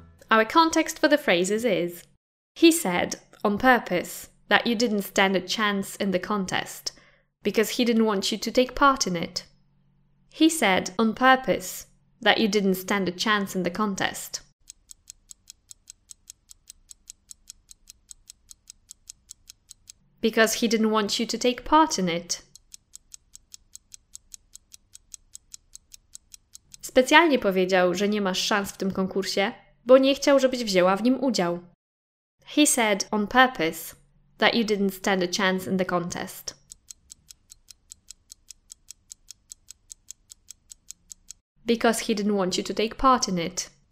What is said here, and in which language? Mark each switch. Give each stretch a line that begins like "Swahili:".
English: Our context for the phrases is, he said, on purpose, that you didn't stand a chance in the contest, because he didn't want you to take part in it. He said, on purpose, that you didn't stand a chance in the contest. Because he didn't want you to take part in it.
Polish: Specjalnie powiedział, że nie masz szans w tym konkursie, bo nie chciał, żebyś wzięła w nim udział.
English: He said on purpose that you didn't stand a chance in the contest. Because he didn't want you to take part in it.